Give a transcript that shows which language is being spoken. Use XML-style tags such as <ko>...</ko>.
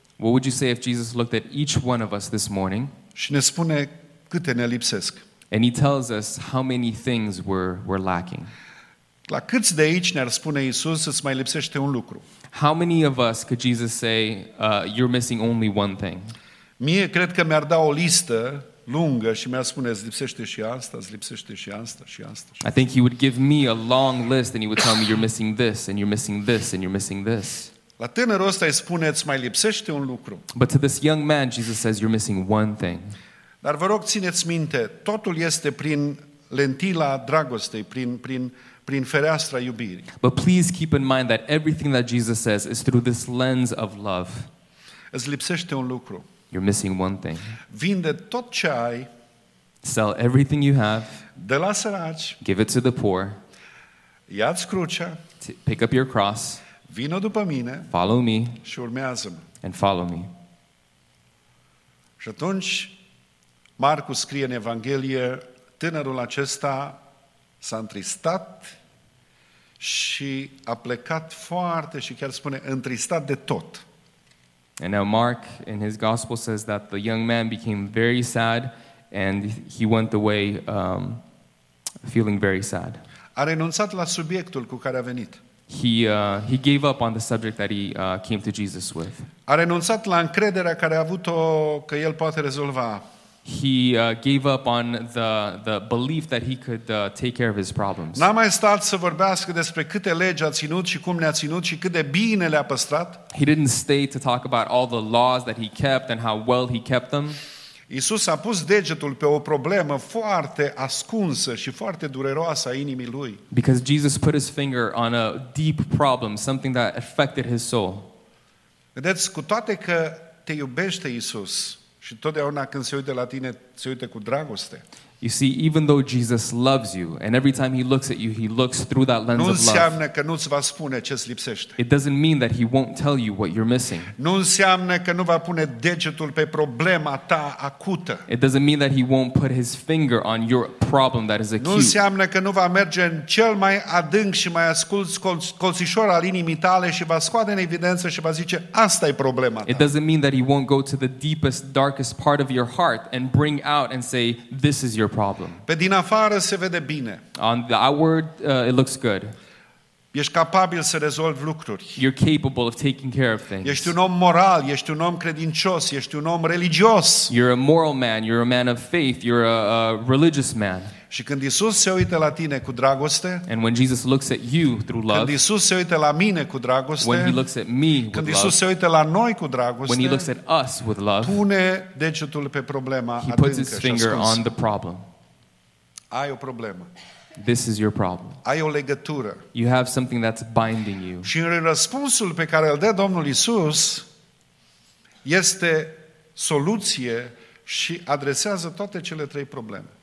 <en>What would you say if Jesus looked at each one of us this morning?</en> <ro>Și ne spune câte ne lipsesc.</ro> <en>And he tells us how many things we're lacking.</en> <ro>La câți de aici ne-ar spune Iisus, îți mai lipsește un lucru?</ro> <en>How many of us could Jesus say, you're missing only one thing?</en> <ro>Mie cred că mi-ar da o listă lungă și mi-ar spune, îți lipsește și asta, îți lipsește și asta, și asta.</ro> <en>I think he would give me a long list and he would tell me, you're missing this, and you're missing this, and you're missing this.</en> <ro>La tânărul ăsta îi spune, îți mai lipsește un lucru.</ro> <en>But to this young man, Jesus says, you're missing one thing.</en> <ro>Dar vă rog, țineți minte, totul este prin lentila dragostei, prin fereastra iubirii.</ro> <en>But please keep in mind that everything that Jesus says is through this lens of love.</en> <ro>Îți lipsește un lucru.</ro> <en>You're missing one thing.</en> <ro>Vinde tot ce ai.</ro> <en>Sell everything you have.</en> <ro>Dă la săraci.</ro> <en>Give it to the poor.</en> <ro>Ia-ți crucea.</ro> <en>Pick up your cross.</en> <ro>Vino după mine.</ro> <en>Follow me.</en> <ro>Și urmează-mă.</ro> <en>And follow me.</en> <ro>Și atunci Marcu scrie în Evanghelie, tânărul acesta s-a întristat și a plecat foarte și chiar spune întristat de tot.</ro> <en>And now Mark in his gospel says that the young man became very sad and he went away feeling very sad.</en> <ro>A renunțat la subiectul cu care a venit.</ro> <en>He gave up on the subject that he came to Jesus with.</en> <ro>A renunțat la încrederea care a avut-o că el poate rezolva.</ro> <en>He gave up on the belief that he could take care of his problems.</en> <ro>N-a mai stat să vorbească despre câte legi a ținut și cum le-a ținut și cât de bine le-a păstrat.</ro> <en>He didn't stay to talk about all the laws that he kept and how well he kept them.</en> <ro>Iisus a pus degetul pe o problemă foarte ascunsă și foarte dureroasă a inimii lui.</ro> <en>Because Jesus put his finger on a deep problem, something that affected his soul.</en> <ro>Vedeți, cu toate că te iubește Iisus, și totdeauna când se uită la tine, se uită cu dragoste.</ro> <en>You see, even though Jesus loves you, and every time he looks at you, he looks through that lens of love.</en> <ro>Nu înseamnă că nu-ți va spune ce-ți lipsește.</ro> <en>It doesn't mean that he won't tell you what you're missing.</en> <ro>Nu înseamnă că nu va pune degetul pe problema ta acută.</ro> <en>It doesn't mean that he won't put his finger on your problem that is acute.</en> <ro>Nu înseamnă că nu va merge în cel mai adânc și mai ascuns colțișor al inimii tale și va scoate în evidență și va zice, asta e problema ta.</ro> <en>It doesn't mean that he won't go to the deepest, darkest part of your heart and bring out and say, this is your problem.</en> <ro>Pe din afară se vede bine.</ro> <en>On the outward, it looks good.</en> <ro>Ești capabil să rezolvi lucruri.</ro> <en>You're capable of taking care of things.</en> <ro>Ești un om moral, ești un om credincios, ești un om religios.</ro> <en>You're a moral man, you're a man of faith, you're a religious man.</en> <ro>Și când Iisus se uită la tine cu dragoste,</ro> <en>and when Jesus looks at you through love,</en> <ro>când Iisus se uită la mine cu dragoste,</ro> <en>when he looks at me with love,</en> <ro>când Iisus se uită la noi cu dragoste,</ro> <en>when he looks at us with love,</en> <ro>pune degetul pe problema adâncă și ascunsă.</ro> <en>He puts his finger on the problem.</en> <ro>Ai o problemă.</ro> <en>This is your problem.</en> <ro>Ai o legătură.</ro> <en>You have something that's binding you.</en> <ro>Și în răspunsul pe care îl dă Domnul Iisus este soluție și adresează toate cele trei probleme.</ro>